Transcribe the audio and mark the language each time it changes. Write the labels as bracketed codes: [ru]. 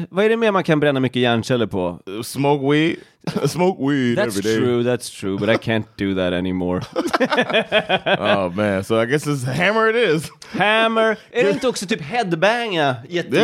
[sv] Vad är det mer man kan bränna mycket hjärnceller på? [en] Smoke weed that's every day. That's true, but I can't do that anymore. Oh man, so I guess it's hammer it is. Hammer. [sv] Är det inte också typ headbanga jättemycket?